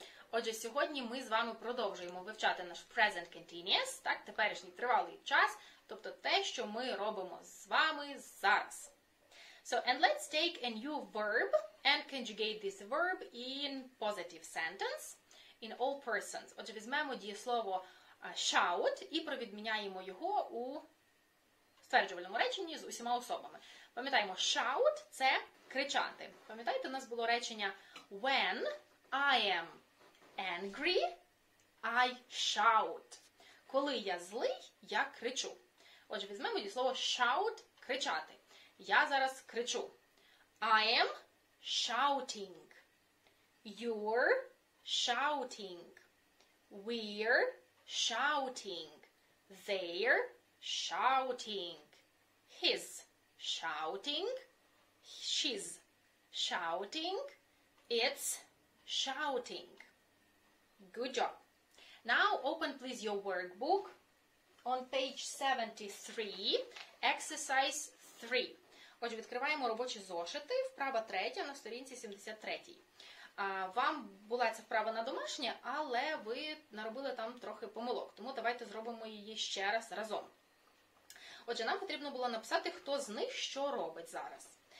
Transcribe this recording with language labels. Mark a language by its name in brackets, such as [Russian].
[Ukrainian] Отже, сьогодні ми з вами продовжуємо вивчати наш present continuous, так, теперішній тривалий час, тобто те, що ми робимо з вами зараз. [English] So, and let's take a new verb and conjugate this verb in positive sentence. In all persons. [Ukrainian] Отже, візьмемо дієслово shout і провідміняємо його у стверджувальному реченні з усіма особами. Пам'ятаємо, shout – це кричати. Пам'ятаєте, у нас було речення [English] when I am angry, I shout. [Ukrainian] Коли я злий, я кричу. Отже, візьмемо дієслово shout – кричати. Я зараз кричу. [English] I am shouting. You're shouting. We're shouting. They're shouting. He's shouting. She's shouting. It's shouting. Good job. Now open please your workbook on page 73, exercise 3. [Ukrainian] Отже, відкриваємо робочі зошити, вправа третя на сторінці 73. Вам була ця вправа на домашнє, але ви наробили там трохи помилок. Тому давайте зробимо її ще раз разом. Отже, нам потрібно було написати, хто з них що робить зараз.